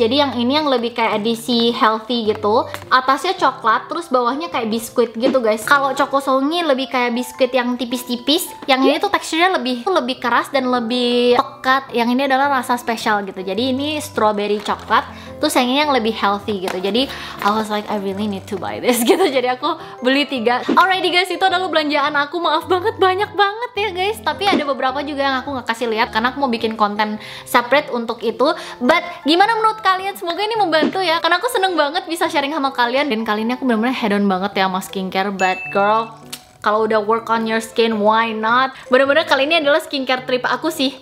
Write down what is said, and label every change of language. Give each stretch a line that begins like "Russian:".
Indonesian: Jadi yang ini yang lebih kayak edisi healthy gitu. Atasnya coklat, terus bawahnya kayak biskuit gitu guys. Kalau Chokosongi lebih kayak biskuit yang tipis-tipis, yang ini tuh teksturnya lebih keras dan lebih pekat. Yang ini adalah rasa spesial gitu. Jadi ini strawberry coklat, terus yang ini yang lebih healthy gitu. Jadi
English: I was like I really need to buy this
Indonesian: gitu. Jadi aku beli 3. Alrighty guys, itu adalah belanjaan aku. Maaf banget, banyak banget ya guys. Tapi ada beberapa juga yang aku gak kasih lihat karena aku mau bikin konten separate untuk itu.
English: But
Indonesian: gimana menurut kalian? Semoga ini membantu ya, karena aku seneng banget bisa sharing sama kalian. Dan kali ini aku benar-benar head on banget ya sama skincare.
English: But girl,
Indonesian: kalau udah
English: work on your skin, why not?
Indonesian: Benar-benar kali ini adalah skincare trip aku sih.